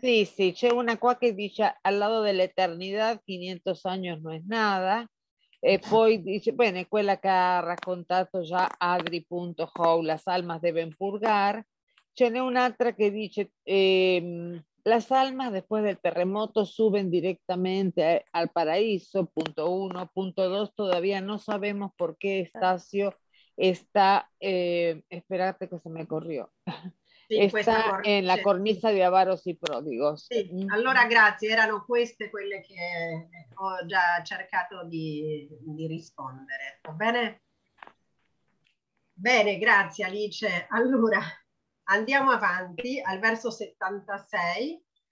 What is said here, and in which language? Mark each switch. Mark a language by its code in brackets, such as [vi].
[it] Sì, c'è una qua che dice al lato dell'eternità 500 anni non è nada, e poi dice, bene, quella che ha raccontato già Adri.how, [es] las almas deben purgar, [it] ce n'è un'altra che dice [es] las almas después del terremoto suben directamente al paraíso, [it] punto uno. [es] Punto dos, todavía no sabemos por qué Estacio está, esperate que se me corrió, sí, está en la cornisa de avaros y pródigos. Sí. [it] Allora grazie, erano queste quelle che ho già cercato di rispondere, va bene? Bene, grazie Alice. Allora andiamo avanti al verso 76.